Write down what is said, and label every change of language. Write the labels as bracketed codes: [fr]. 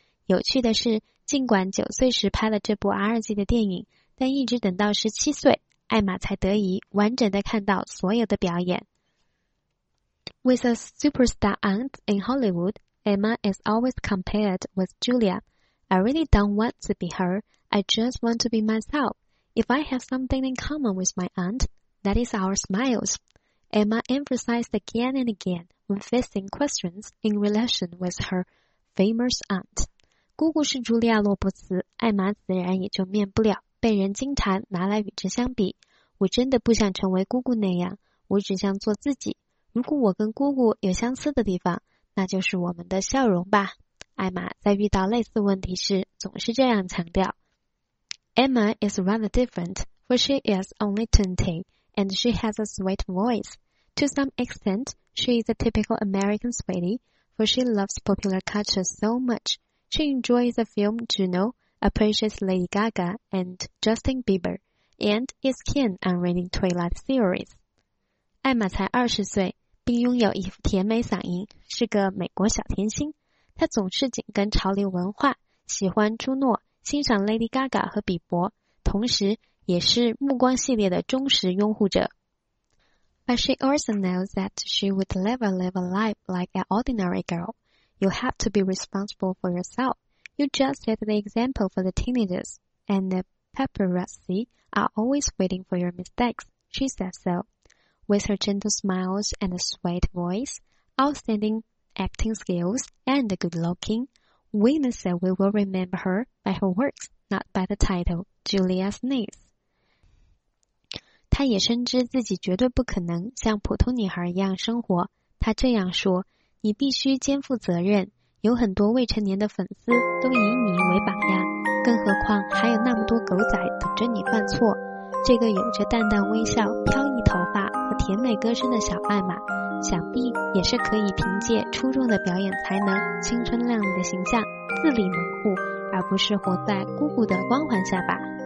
[zh] 有趣的是，尽管9岁时拍了这部 R 级的电影，但一直等到17岁，艾玛才得以完整地看到所有的表演。 [en] With a superstar aunt in Hollywood, Emma is always compared with Julia. I really don't want to be her, I just want to be myself. If I have something in common with my aunt, that is our smiles. Emma emphasized again and again when facing questions in relation with her famous aunt. [zh] 姑姑是茱莉亚·罗伯茨，艾玛自然也就免不了被人经常拿来与之相比。我真的不想成为姑姑那样，我只想做自己。如果我跟姑姑有相似的地方，那就是我们的笑容吧。艾玛在遇到类似问题时总是这样强调。 [en] Emma is rather different, for she is only 20, and she has a sweet voice. To some extent, she is a typical American sweetie, for she loves popular culture so much. She enjoys the film Juno, appreciates Lady Gaga and Justin Bieber, and is keen on reading Twilight series. [zh] 艾玛才20岁，并拥有一副甜美嗓音，是个美国小甜心。她总是紧跟潮流文化，喜欢朱诺，欣赏 Lady Gaga 和比伯，同时也是《暮光》系列的忠实拥护者。 [en] But she also knows that she would never live a life like an ordinary girl. You have to be responsible for yourself. You just set the example for the teenagers, and the paparazzi are always waiting for your mistakes, she says so. With her gentle smiles and a sweet voice, outstanding acting skills, and good-looking, we may say we will remember her by her works, not by the title, Julia's niece. [zh] 她也深知自己绝对不可能像普通女孩一样生活，他这样说，你必须肩负责任，有很多未成年的粉丝都以你为榜样，更何况还有那么多狗仔等着你犯错。这个有着淡淡微笑、飘逸头发和甜美歌声的小艾玛，想必也是可以凭借出众的表演才能、青春靓丽的形象自立门户，而不是活在姑姑的光环下吧。